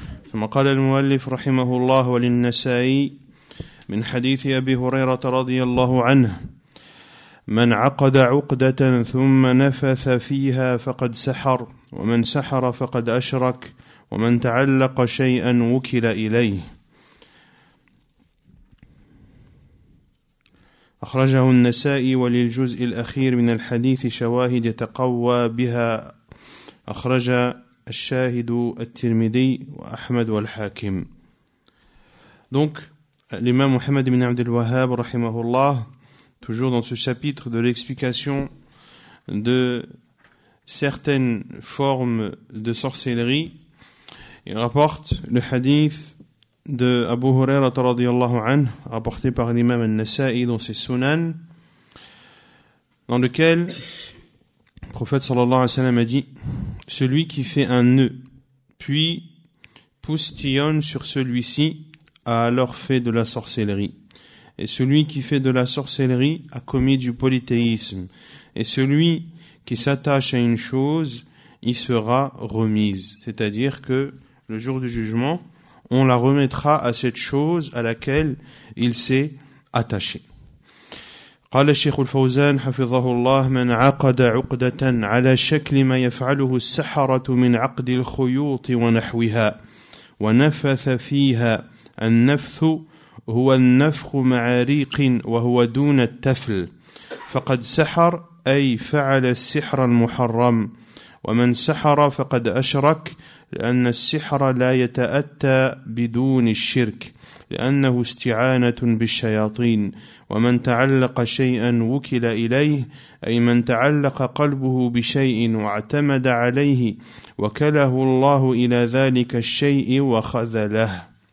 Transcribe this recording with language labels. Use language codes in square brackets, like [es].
[ar] Thumma qala al-mu'allif rahimahullah wa lin-nasa'i min hadith Abi Hurairah radiyallahu anhu: من عقد عقدة ثم نفث فيها فقد سحر، ومن سحر فقد أشرك، ومن تعلق شيئا وكل إليه. أخرجه النسائي، وللجزء الأخير من الحديث شواهد يتقوى بها، أخرج الشاهد الترمذي وأحمد والحاكم. دونك الإمام محمد بن عبد الوهاب رحمه الله، [fr] toujours dans ce chapitre de l'explication de certaines formes de sorcellerie, il rapporte le hadith de Abu Hurairah radiyallahu anhu, rapporté par l'imam al-Nasa'i dans ses Sunan, dans lequel le prophète sallallahu alayhi wa sallam a dit: celui qui fait un nœud puis poustillonne sur celui-ci a alors fait de la sorcellerie. Et celui qui fait de la sorcellerie a commis du polythéisme. Et celui qui s'attache à une chose y sera remise. C'est-à-dire que le jour du jugement, on la remettra à cette chose à laquelle il s'est attaché. [ar] قال الشيخ الفوزان حفظه الله: من عقد عقدة على شكل ما يفعله السحرة من عقد الخيوط ونحوها ونفث فيها النفث هو النفخ مع ريق وهو دون التفل فقد سحر أي فعل السحر المحرم، ومن سحر فقد أشرك، لأن السحر لا يتأتى بدون الشرك لأنه استعانة بالشياطين، ومن تعلق شيئا وكل إليه أي من تعلق قلبه بشيء واعتمد عليه وكله الله إلى ذلك الشيء وخذله.